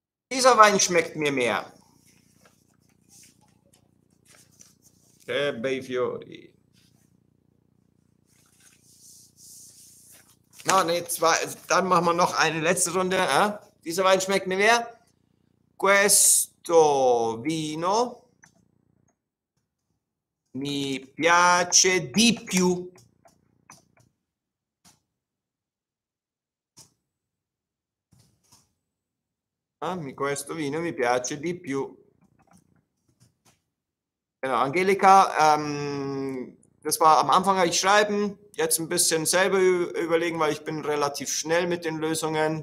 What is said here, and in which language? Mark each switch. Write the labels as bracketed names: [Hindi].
[German] Dieser Wein schmeckt mir mehr. [Italian] Che bei fiori. [German] No, nee, zwei, dann machen wir noch eine letzte Runde. Dieser Wein schmeckt mir mehr. [Italian] Questo vino mi piace di più. Questo vino mi piace di più. [German] Angelika, das war am Anfang, habe ich schreiben, jetzt ein bisschen selber überlegen, weil ich bin relativ schnell mit den Lösungen.